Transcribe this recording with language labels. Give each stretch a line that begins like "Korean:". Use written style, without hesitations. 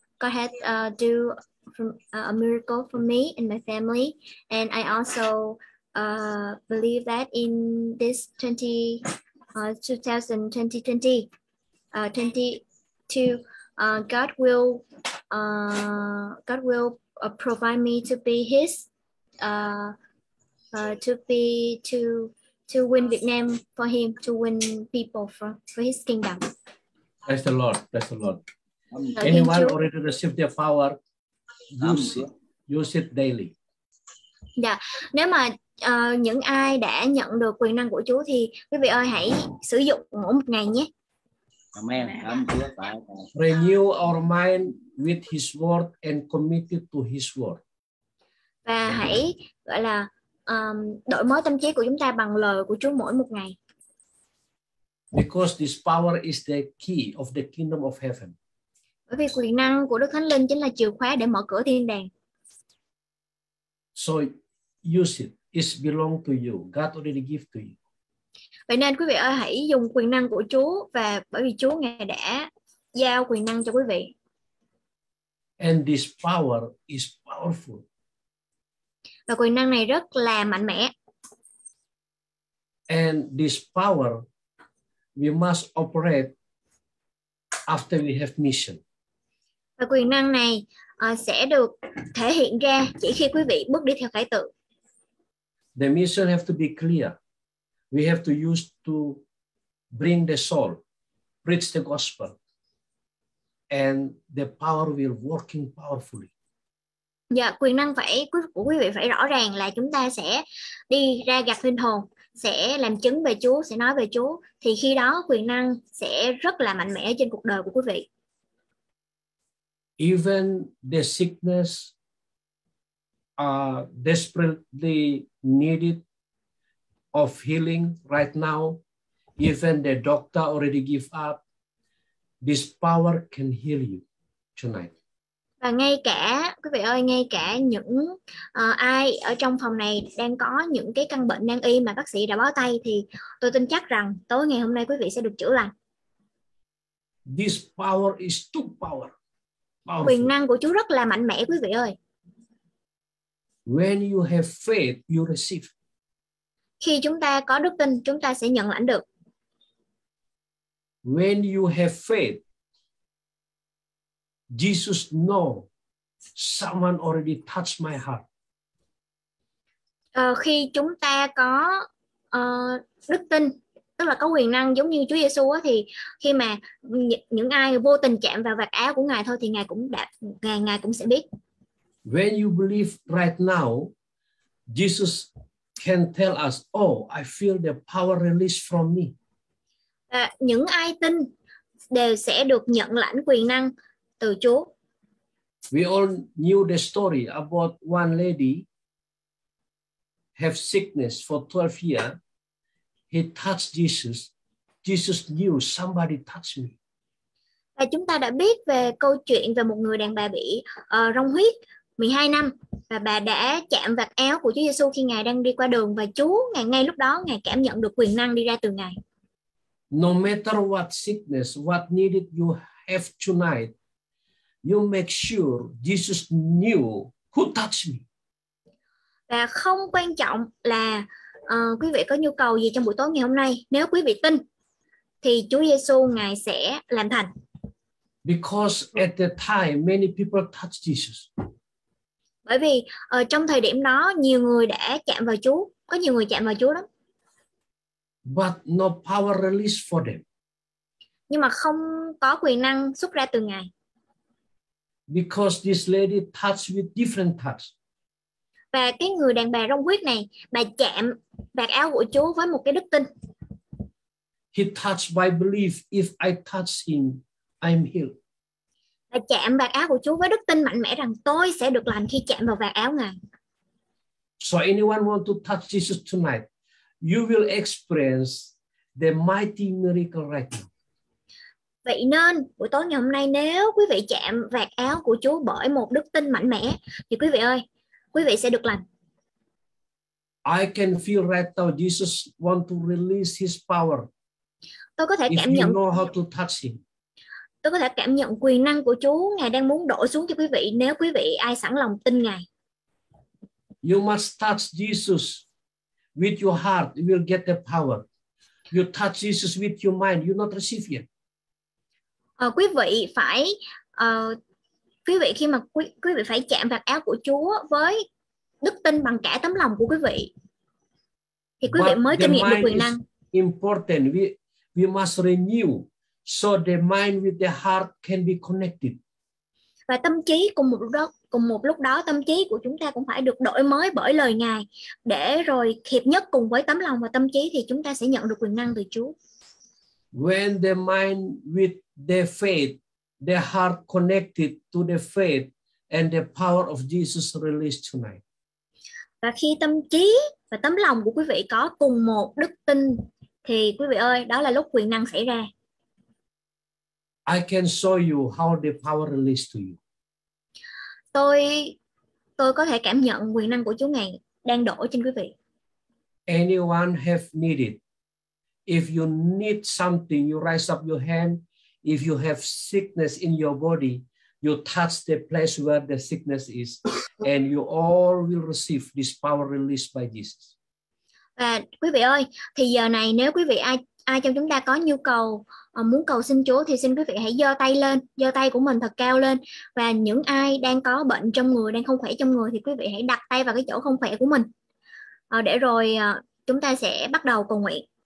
English: God has do from a miracle for me and my family, and I also believe that in this 2022, God will provide me to be His, to win Vietnam for Him, to win people for His kingdom. Praise the Lord. Anyone already received their power, use it daily.
Vietnamese: Dạ, nếu mà những ai đã nhận được quyền năng của Chúa thì quý vị ơi hãy sử dụng mỗi một ngày nhé. Amen.
English: Renew our mind with His word and committed to His word.
Vietnamese: Và hãy gọi là đổi mới tâm trí của chúng ta bằng lời của Chúa mỗi một ngày.
English: Because this power is the key of the kingdom of heaven.
Vietnamese: Bởi vì quyền năng của Đức Thánh Linh chính là chìa khóa để mở cửa thiên đàng.
English: So use it. It belongs to you. God already gave to you.
Vietnamese: Vậy nên quý vị ơi hãy dùng quyền năng của Chúa và bởi vì Chúa ngài đã giao quyền năng cho quý vị.
English: And this power is powerful.
Vietnamese: Và quyền năng này rất là mạnh mẽ.
English: And this power we must operate after we have mission.
Vietnamese: Và quyền năng này sẽ được thể hiện ra chỉ khi quý vị bước đi theo khải tượng.
English: The mission have to be clear. We have to use to bring the soul, preach the gospel, and the power will working powerfully.
Vietnamese: Dạ, quyền năng phải của quý vị phải rõ ràng là chúng ta sẽ đi ra gặp linh hồn, sẽ làm chứng về Chúa, sẽ nói về Chúa, thì khi đó quyền năng sẽ rất là mạnh mẽ trên cuộc đời của quý vị.
English: Even the sickness desperately needed of healing right now, even the doctor already give up, this power can heal you tonight.
Vietnamese: Và ngay cả quý vị ơi, ngay cả những ai ở trong phòng này đang có những cái căn bệnh nan y mà bác sĩ đã bó tay, thì tôi tin chắc rằng tối ngày hôm nay quý vị sẽ được chữa lành.
English: This power is too power. Powerful.
Vietnamese: Quyền năng của Chúa rất là mạnh mẽ quý vị ơi.
English: When you have faith, you receive.
Vietnamese: Khi chúng ta có đức tin, chúng ta sẽ nhận lãnh được.
English: When you have faith, Jesus knows someone already touched my heart.
Vietnamese: Khi chúng ta có đức tin, tức là có quyền năng giống như Chúa Giêsu, thì khi mà những ai vô tình chạm vào vạt áo của ngài thôi thì ngài cũng sẽ biết.
English: When you believe right now, Jesus can tell us, "Oh, I feel the power released from me."
Vietnamese: Những ai tin đều sẽ được nhận lãnh quyền năng từ Chúa.
English: We all knew the story about one lady have sickness for 12 years. He touched Jesus. Jesus knew somebody touched me.
Vietnamese: Và chúng ta đã biết về câu chuyện về một người đàn bà bị rong huyết 12 năm và bà đã chạm vạt áo của Chúa Giêsu khi ngài đang đi qua đường, và Chúa ngay lúc đó ngài cảm nhận được quyền năng đi ra từ ngài.
English: No matter what sickness, what needed you have tonight, you make sure Jesus knew who touched me.
Vietnamese: Và không quan trọng là quý vị có nhu cầu gì trong buổi tối ngày hôm nay, nếu quý vị tin thì Chúa Giêsu ngài sẽ làm thành.
English: Because at the time many people touched Jesus.
Vietnamese: Bởi vì trong thời điểm đó nhiều người đã chạm vào Chúa, có nhiều người chạm vào Chúa lắm.
English: But no power released for them.
Vietnamese: Nhưng mà không có quyền năng xuất ra từ ngài.
English: Because this lady touched with different touch.
Vietnamese: Và cái người đàn bà rong huyết này, bà chạm vạt áo của Chúa với một cái đức tin.
English: He touched by belief, if I touch him, I'm healed.
Vietnamese: Bà chạm vạt áo của Chúa với đức tin mạnh mẽ rằng tôi sẽ được lành khi chạm vào vạt áo ngài.
English: So anyone want to touch Jesus tonight, you will experience the mighty miracle right now.
Vietnamese: Vậy nên buổi tối ngày hôm nay nếu quý vị chạm vạt áo của Chúa bởi một đức tin mạnh mẽ thì quý vị ơi, quý vị sẽ được lành.
English: I can feel right now Jesus want to release his power.
Vietnamese: Tôi có thể cảm
English: if
Vietnamese: nhận.
English: You know how to touch him.
Vietnamese: Tôi có thể cảm nhận quyền năng của Chúa ngài đang muốn đổ xuống cho quý vị nếu quý vị ai sẵn lòng tin ngài.
English: You must touch Jesus with your heart, you will get the power. You touch Jesus with your mind, you not receive yet.
Vietnamese: Quý vị phải quý vị khi mà quý vị phải chạm vạt áo của Chúa với đức tin bằng cả tấm lòng của quý vị thì quý
English: But
Vietnamese: vị mới kinh nghiệm được quyền năng.
English: Important we must renew so the mind with the heart can be connected.
Vietnamese: Và tâm trí cùng một lúc đó tâm trí của chúng ta cũng phải được đổi mới bởi lời Ngài, để rồi hiệp nhất cùng với tấm lòng và tâm trí thì chúng ta sẽ nhận được quyền năng từ Chúa.
English: When the mind with the faith, the heart connected to the faith and the power of Jesus released tonight.
Vietnamese: Và khi tâm trí và tấm lòng của quý vị có cùng một đức tin thì quý vị ơi, đó là lúc quyền năng xảy ra.
English: I can show you how the power released to you.
Vietnamese: Tôi có thể cảm nhận quyền năng của Chúa Ngài đang đổ trên quý vị.
English: Anyone have needed? If you need something, you raise up your hand. If you have sickness in your body, you touch the place where the sickness is, and you all will receive this power released by Jesus.
Vietnamese: Và quý vị ơi, thì giờ này nếu quý vị ai trong chúng ta có nhu cầu muốn cầu xin Chúa thì xin quý vị hãy giơ tay lên, giơ tay của mình thật cao lên, và những ai đang có bệnh trong người, đang không khỏe trong người thì quý vị hãy đặt tay vào cái chỗ không khỏe của mình. Để rồi chúng ta sẽ bắt đầu cầu nguyện.